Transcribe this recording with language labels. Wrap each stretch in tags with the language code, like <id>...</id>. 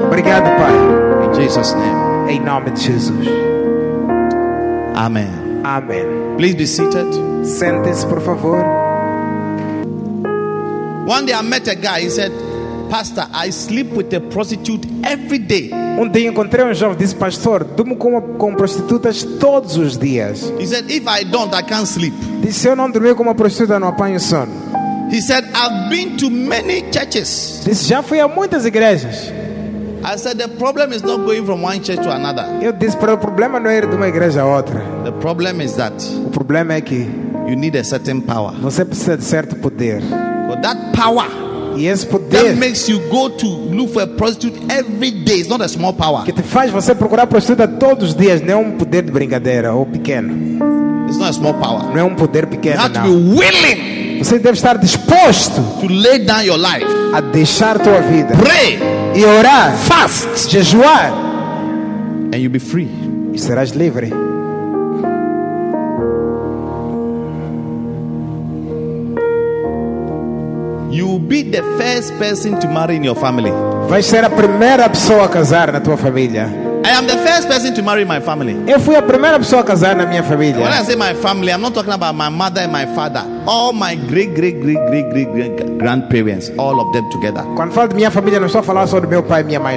<pt>Obrigado, Pai.</pt> <en>In Jesus' name.</en> <pt>Em nome de Jesus.</pt> <en>Amen. Amen. Please be seated.</en> <pt>Sente-se, por favor.</pt> <en>One day I met a guy. He said, "Pastor, I sleep with a prostitute every day."</en> <pt>Um dia encontrei jovem, disse, "Pastor, durmo com prostitutas todos os dias."</pt> <en>He said, "If I don't, I can't sleep."</en> <pt>Disse, "Se eu não dormir com uma prostituta, não apanho sono."</pt> <en>He said, "I've been to many churches."</en> <pt>Disse, "Já fui a muitas igrejas."</pt> <en>I said, "The problem is not going from one church to another."</en> <pt>Eu disse, "O problema não é ir de uma igreja a outra."</pt> <en>The problem is that.</en> <pt>O problema é que</pt> <en>you need a certain power.</en> <pt>Você precisa de certo poder.</pt> <en>But that power, yes,</en> <pt>poder,</pt> <en>that makes you go to look for a prostitute every day. It's not a small power.</en> <pt>Que te faz você procurar prostituta todos os dias, não é poder de brincadeira ou pequeno.</pt> <en>It's not a small power.</en> <pt>Não é poder pequeno.</pt> <en>You have to be willing.</en> <pt>Você deve estar disposto</pt> <en>to lay down your life.</en> <pt>A deixar tua vida.</pt> <en>Pray.</en> <pt>E orar.</pt> <en>Fast.</en> <pt>Jejuar.</pt> <en>And you'll be free.</en> <pt>E serás livre.</pt> <en>You will be the first person to marry in your family.</en> <pt>Vai ser a primeira pessoa a casar na tua família.</pt> <en>I am the first person to marry my family.</en> <pt>Eu fui a primeira pessoa a casar na minha família.</pt> <en>When I say my family, I'm not talking about my mother and my father. All my great, great, great, great, great, great grandparents, all of them together.</en> <pt>Quando falo de minha família, não estou a falar só do meu pai e minha mãe.</pt>